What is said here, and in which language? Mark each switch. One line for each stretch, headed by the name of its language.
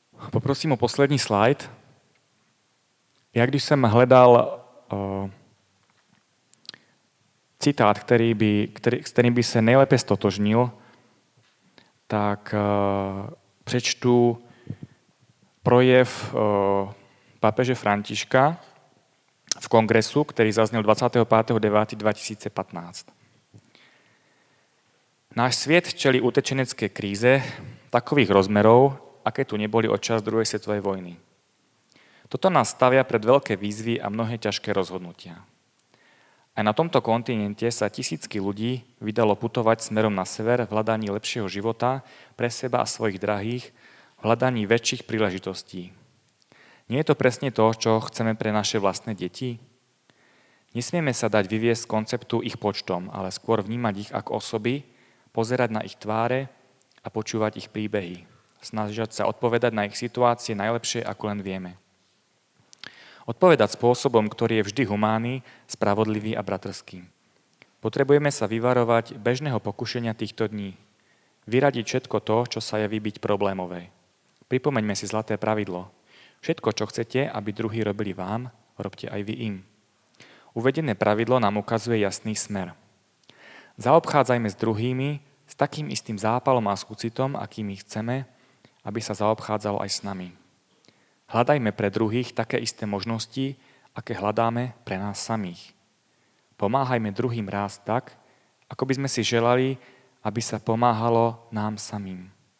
Czech: Poprosím o poslední slide. Já když jsem hledal citát, který by se nejlépe stotožnil, tak přečtu projev papeže Františka v kongresu, který zazněl 25.9.2015.
Slovak: Náš svět čelí utečenecké kríze takových rozmerov, aké tu neboli od čas druhé světové vojny. Toto nás stavia pred veľké výzvy a mnohé ťažké rozhodnutia. A na tomto kontinente sa tisícky ľudí vydalo putovať smerom na sever v hľadaní lepšieho života pre seba a svojich drahých, v hľadaní väčších príležitostí. Nie je to presne to, čo chceme pre naše vlastné deti? Nesmieme sa dať vyviesť z konceptu ich počtom, ale skôr vnímať ich ako osoby, pozerať na ich tváre a počúvať ich príbehy. Snažiť sa odpovedať na ich situácie najlepšie, ako len vieme. Odpovedať spôsobom, ktorý je vždy humánny, spravodlivý a bratrský. Potrebujeme sa vyvarovať bežného pokušenia týchto dní. Vyradiť všetko to, čo sa javí byť problémové. Pripomeňme si zlaté pravidlo. Všetko, čo chcete, aby druhí robili vám, robte aj vy im. Uvedené pravidlo nám ukazuje jasný smer. Zaobchádzajme s druhými s takým istým zápalom a súcitom, akými chceme, aby sa zaobchádzalo aj s nami. Hľadajme pre druhých také isté možnosti, aké hľadáme pre nás samých. Pomáhajme druhým rásť tak, ako by sme si želali, aby sa pomáhalo nám samým.